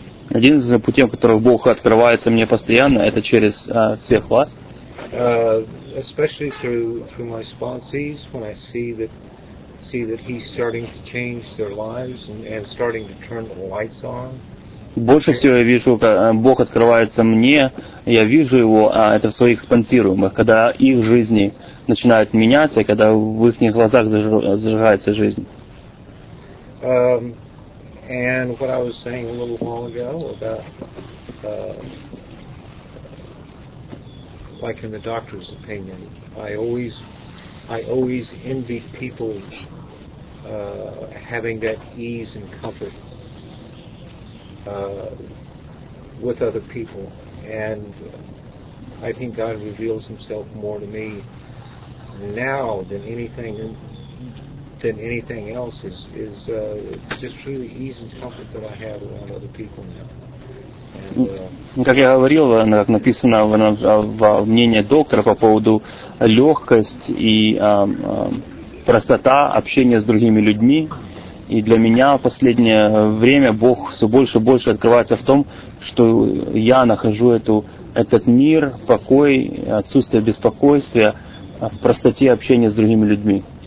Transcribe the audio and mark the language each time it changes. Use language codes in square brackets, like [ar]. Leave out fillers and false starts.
[ru] Один из путей, которым Бог открывается мне постоянно, это через всех вас. [en] Especially through my sponsees, when I see that he's starting to change their lives and starting to turn the lights on. [ru] Больше всего я вижу, Бог открывается мне, я вижу его, а это в своих спонсируемых, когда их жизни начинают меняться, когда в их глазах зажигается жизнь. [en] And what I was saying a little while ago about, like in the doctor's opinion, I always envy people having that ease and comfort with other people. And I think God reveals Himself more to me now than anything else is just really ease and comfort that I have around other people now. [ru] Как я говорил, как написано во мнении доктора по поводу легкости и простота общения с другими людьми, и для меня в последнее время Бог все больше и больше открывается в том, что я нахожу этот мир, покой, отсутствие беспокойства в простоте общения с другими людьми.